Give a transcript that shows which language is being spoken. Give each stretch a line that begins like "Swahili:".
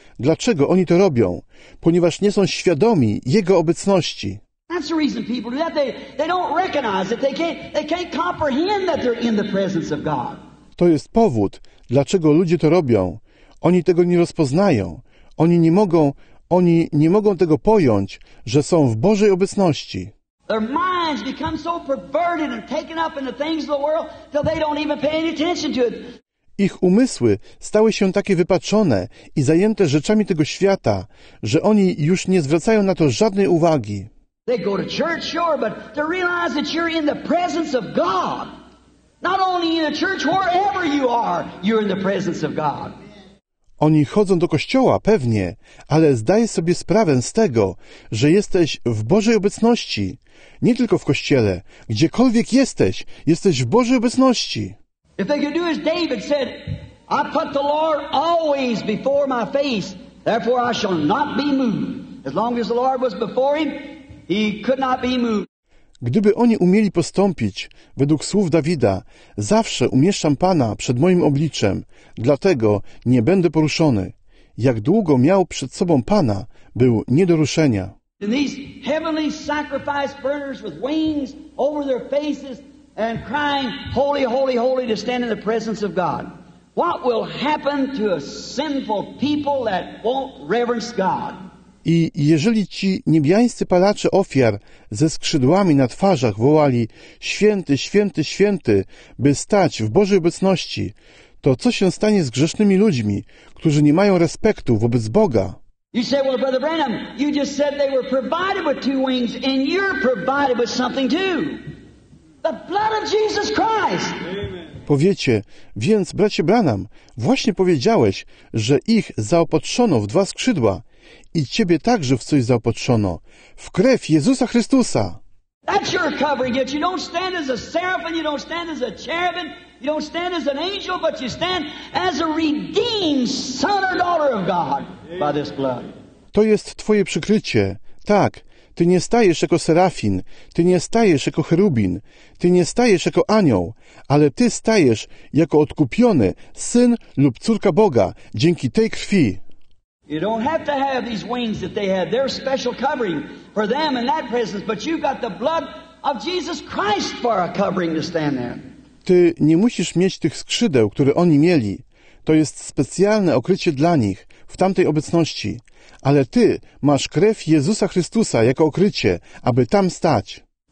Polish: Dlaczego oni to robią? Ponieważ nie są świadomi Jego obecności.
English: That's the reason people do that. They don't recognize it. They can't comprehend that they're in the presence of God.
Polish: To jest powód, dlaczego ludzie to robią. Oni tego nie rozpoznają. Oni nie mogą tego pojąć, że są w Bożej obecności.
English: Their minds become so perverted and taken up in the things of the world that they don't even pay any attention to it.
Polish: Ich umysły stały się takie wypaczone i zajęte rzeczami tego świata, że oni już nie zwracają na to żadnej uwagi.
English: They go to church, sure, but to realize that you're in the presence of God. Not only in the church, wherever you are, you're in the presence of God.
Polish: Oni chodzą do kościoła, pewnie, ale zdaję sobie sprawę z tego, że jesteś w Bożej obecności. Nie tylko w kościele. Gdziekolwiek jesteś, jesteś w Bożej obecności.
English: If they could do as David said, I put the Lord always before my face, therefore I shall not be moved. As long as the Lord was before him, he could not be moved.
Polish: Gdyby oni umieli postąpić, według słów Dawida, zawsze umieszczam Pana przed moim obliczem, dlatego nie będę poruszony. Jak długo miał przed sobą Pana, był nie do ruszenia.
English: And these heavenly sacrifice burners with wings over their faces and crying, holy, holy, holy, to stand in the presence of God. What will happen to a sinful people that won't reverence God?
Polish: I jeżeli ci niebiańscy palacze ofiar ze skrzydłami na twarzach wołali święty, święty, święty, by stać w Bożej obecności, to co się stanie z grzesznymi ludźmi, którzy nie mają respektu wobec Boga?
English: You say, well, Brother Branham, you just said they were provided with two wings and you're provided with something too. The blood of Jesus Christ. Amen.
Polish: Powiecie, więc bracie Branham, właśnie powiedziałeś, że ich zaopatrzono w dwa skrzydła, i ciebie także w coś zaopatrzono, w krew Jezusa Chrystusa.
English: That's your covering. You don't stand as a seraphim, you don't stand as a cherubim, you don't stand as an angel, but you stand as a redeemed son or daughter of God by this blood.
Polish: To jest twoje przykrycie. Tak, ty nie stajesz jako serafin, ty nie stajesz jako cherubin, ty nie stajesz jako anioł, ale ty stajesz jako odkupiony syn lub córka Boga dzięki tej krwi.
English: You don't have to have these wings that they had. They're special covering for them in that presence. But you've got the blood of Jesus Christ for a covering to stand there.
Polish: Ty nie musisz mieć tych skrzydeł, które oni mieli. To jest specjalne okrycie dla nich w tamtej obecności. Ale ty masz krew Jezusa Chrystusa jako okrycie, aby tam stać.